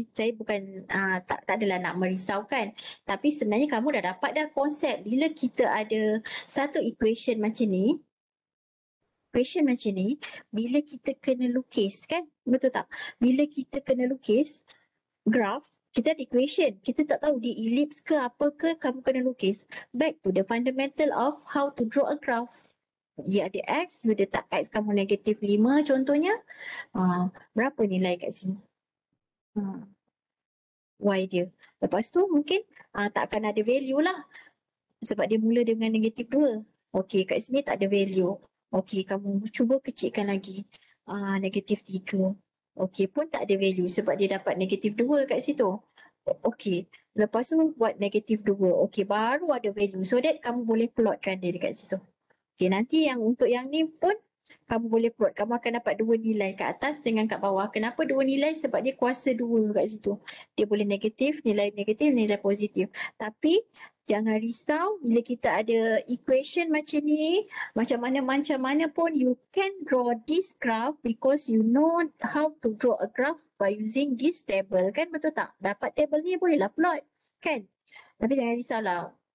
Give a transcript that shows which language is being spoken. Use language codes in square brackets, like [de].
[ms] Saya bukan tak adalah nak merisaukan. Tapi sebenarnya kamu dah dapat dah konsep. Bila kita ada satu equation macam ni, equation macam ni, bila kita kena lukis kan, betul tak? Bila kita kena lukis graf, kita ada equation. Kita tak tahu dia ellipse ke apa ke, kamu kena lukis. [en] Back to the fundamental of how to draw a graph. [ms] Dia ada x, you letak x kamu negatif 5 contohnya, berapa nilai kat sini? Y dia. Lepas tu mungkin tak akan ada value lah. Sebab dia mula dengan negatif 2. Okey, kat sini tak ada value. Okey, kamu cuba kecilkan lagi. Negatif 3. Okey, pun tak ada value sebab dia dapat negatif 2 kat situ. Okey, lepas tu buat negatif 2. Okey, baru ada value. So that kamu boleh plotkan dia dekat situ. Okey, nanti yang untuk yang ni pun kamu boleh plot. Kamu akan dapat dua nilai kat atas dengan kat bawah. Kenapa dua nilai? Sebab dia kuasa 2 kat situ. Dia boleh negatif, nilai negatif, nilai positif. Tapi jangan risau bila kita ada equation macam ni, macam mana pun you can draw this graph because you know how to draw a graph by using this table. Kan betul tak? Dapat table ni bolehlah plot. Kan? Tapi jangan risau lah.